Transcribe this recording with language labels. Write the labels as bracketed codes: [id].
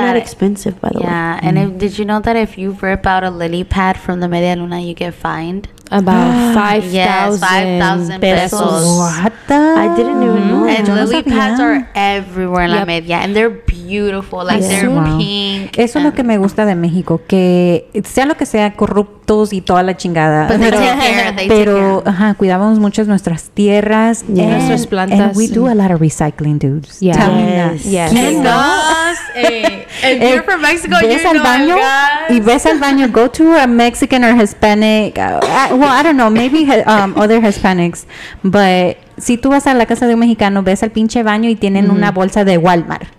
[en] that not expensive, by the way. And did you know that if you rip out a lily pad from La Media Luna, you get fined? About 5,000 pesos. What the? I didn't even know. And lily pads are everywhere in La Media, and they're beautiful. Like they're pink. [es] Eso es lo que me gusta de México, que sea lo que sea, corruptos y toda la chingada. Pero cuidamos mucho nuestras tierras, nuestras plantas. [en] And we do a lot of recycling, dudes. Yeah. Tell me that. Yes. Yes. Yes. if you're from Mexico, you know [es] al baño, y ves al baño, [en] go to a Mexican or Hispanic. I don't know, maybe other Hispanics, but [es] si tú vas a la casa de un mexicano, ves el pinche baño y tienen una bolsa de Walmart.